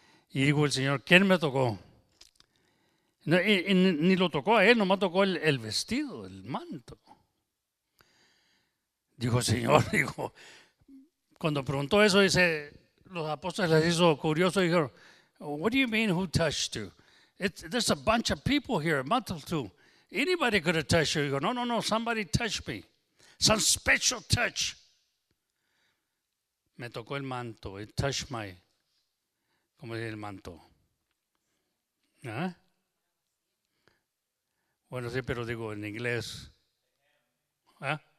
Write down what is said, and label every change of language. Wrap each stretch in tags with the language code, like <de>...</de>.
<es>Y dijo el Señor, ¿quién me tocó? Y ni lo tocó a él, nomás tocó el vestido, el manto. Dijo el Señor, dijo, cuando preguntó eso, dice, los apóstoles les hizo curioso, dijeron,</es> <en>what do you mean who touched you? There's a bunch of people here, multitude. Anybody could have touched you.</en> <es>Dijo, no,</es> <en>somebody touched me. Some special touch.</en> <es>Me tocó el manto,</es> <en>it touched my,</en> <es>¿cómo dice el manto? ¿Eh? Bueno, sí, pero digo en inglés. ¿Eh?</es>